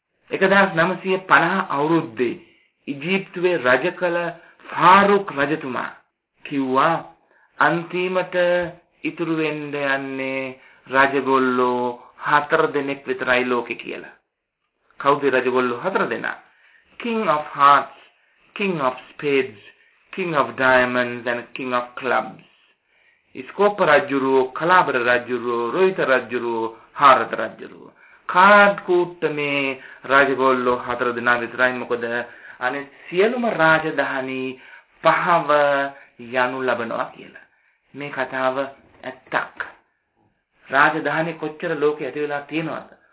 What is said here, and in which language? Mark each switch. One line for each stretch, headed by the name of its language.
Sinhala: 1950 අවුරුද්දේ ඉජිප්තුවේ රජ කළ ෆාරුක් රජතුමා කිව්වා, අන්තිමට ඉතුරු වෙන්න යන්නේ රජගොල්ලෝ 4 දෙනෙක් විතරයි ලෝකේ කියලා. කවුද රජගොල්ලෝ 4 දෙනා?
English: King of Hearts, King of Spades, King of Diamonds and King of Clubs.
Sinhala: ඉස්කෝප රජුරෝ, කලාබර රජුරෝ, රොහිත රජුරෝ, හාරද රජුරෝ. කාඩ් කූට්ටමේ රජගොල්ලෝ 4 දෙනා විතරයි. මොකද අනේ සියලුම රාජධානි පහව යනු ලබනවා කියලා. මේ කතාව ඇත්තක්. රාජධානි කොච්චර ලෝකේ ඇති වෙලා තියෙනවද?